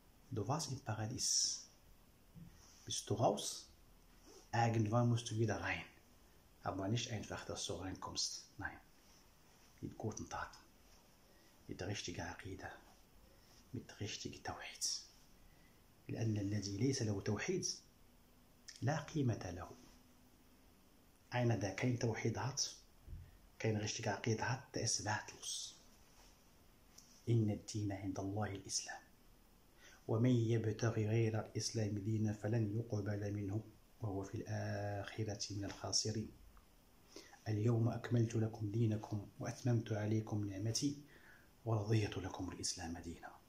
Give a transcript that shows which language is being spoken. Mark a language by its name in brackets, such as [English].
[German] Du warst im Paradies. Bist du raus? Irgendwann musst du wieder rein. Aber nicht einfach, dass du reinkommst. Nein. Mit guten Taten. Mit richtiger Aqida, mit richtigem Tawhid. [Arabic] لأن الذي ليس له توحيد لا قيمة له. [German] Einer, der kein Tawhid hat, kein richtiger Aqida hat, der ist wertlos. [Arabic] إن الدين عند الله الإسلام. ومن يبتغي غير الإسلام دينا فلن يقبل منه وهو في الآخرة من الخاسرين. اليوم أكملت لكم دينكم وأتممت عليكم نعمتي ورضيت لكم الإسلام دينا.